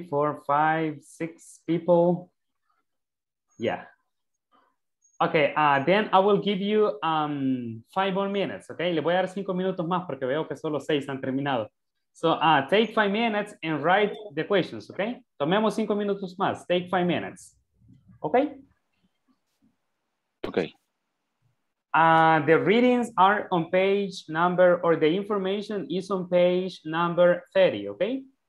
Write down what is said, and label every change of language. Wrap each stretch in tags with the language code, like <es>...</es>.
<en>1, 2, 3, 4, 5, 6 people. Yeah. Okay, then I will give you 5 more minutes, okay?</en> <es>Le voy a dar 5 minutos más porque veo que solo 6 han terminado.</es> <en>So take 5 minutes and write the questions, okay?</en> <es>Tomemos 5 minutos más.</es> <en>Take 5 minutes, okay? Okay. The readings are on page number, or the information is on page number 30, okay?</en>